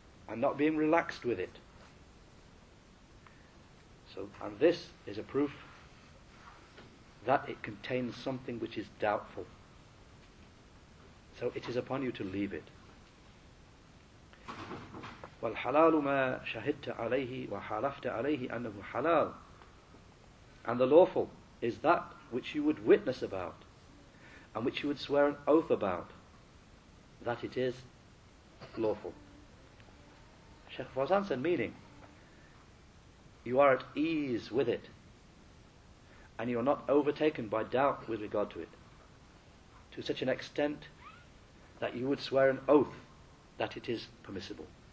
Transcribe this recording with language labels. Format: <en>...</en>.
<en>and not being relaxed with it. So, and this is a proof that it contains something which is doubtful. So it is upon you to leave it.</en> <ar>والحلال ما شهدت عليه وحلفت عليه أنه حلال.</ar> <en>And the lawful is that which you would witness about and which you would swear an oath about that it is lawful. Sheikh Fawzan said, meaning you are at ease with it and you are not overtaken by doubt with regard to it to such an extent that you would swear an oath that it is permissible.</en>